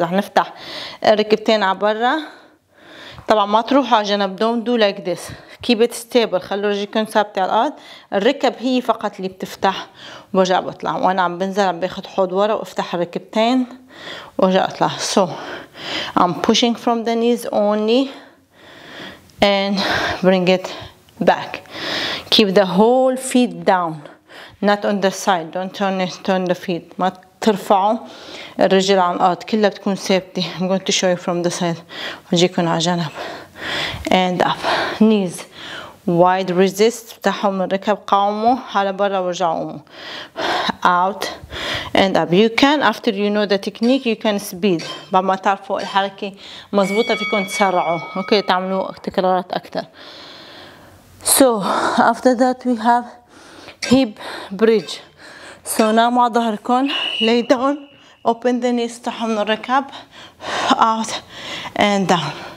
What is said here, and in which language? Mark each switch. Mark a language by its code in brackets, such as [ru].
[ar] رح نفتح ركبتين على برا. طبعا ما تروحوا على جنب. [en] Don't do like this. Keep it stable. [ar] خلوا رجليكم ثابتة على الارض. الركب هي فقط اللي بتفتح وبرجع بطلع. وانا عم بنزل عم باخذ حوض ورا وافتح الركبتين وارجع اطلع. [en] So I'm pushing from the knees only. and bring it back. Keep the whole feet down, not on the side. Don't turn the feet. [ar] ما ترفعوا الرجل عن الأرض. كلها بتكون ثابتة. [en] I'm going to show you from the side. [ar] وجيكم على جنب. [en] And up. Knees. Wide resist. [ar] افتحوا من الركب. قاوموا على برا ورجعوا. [en] Out. And up. You can, after you know the technique, you can speed. [ar] بعد ما تعرفوا الحركة مضبوطة فيكم تسرعوا. [en] Okay. [ar] تعملوا تكرارات أكثر. [en] So after that we have hip bridge. So now [ar] مع ظهركم [en] lay down, open the knees [ar] تحمل الركب, [en] out and down.